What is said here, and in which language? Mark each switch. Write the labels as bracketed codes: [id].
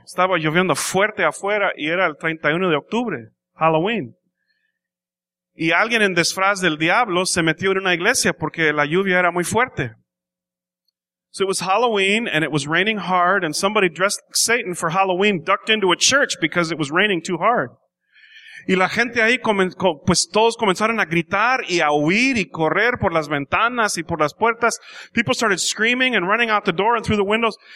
[es] Estaba lloviendo fuerte afuera y era el 31 de octubre, Halloween. Y alguien en disfraz del diablo se metió en una iglesia porque la lluvia era muy fuerte. [en] So it was Halloween and it was raining hard and somebody dressed like Satan for Halloween ducked into a church because it was raining too hard. [es] Y la gente ahí, pues todos comenzaron a gritar y a huir y correr por las ventanas y por las puertas. [en] People started screaming and running out the door and through the windows.